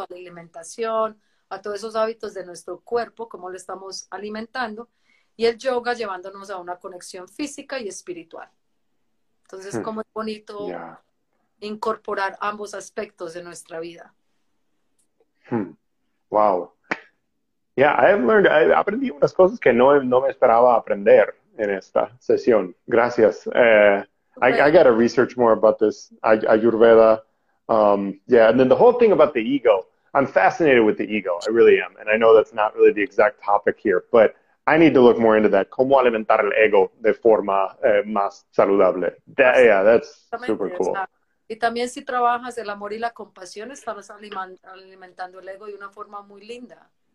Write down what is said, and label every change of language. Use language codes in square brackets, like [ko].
[es] A la alimentación, a todos esos hábitos de nuestro cuerpo, cómo lo estamos alimentando, y el yoga llevándonos a una conexión física y espiritual. Entonces, cómo es bonito incorporar ambos aspectos de nuestra vida. [en] Wow. [es] Yeah, aprendí unas cosas que no me esperaba aprender en esta sesión. Gracias. [en] I got to research more about this Ayurveda. And then the whole thing about the ego. I'm fascinated with the ego. I really am. And I know that's not really the exact topic here, but I need to look more into that. [es] ¿Cómo alimentar el ego de forma más saludable? [en] That's super cool. [es] Y también si trabajas el amor y la compasión, estás alimentando el ego de una forma muy linda.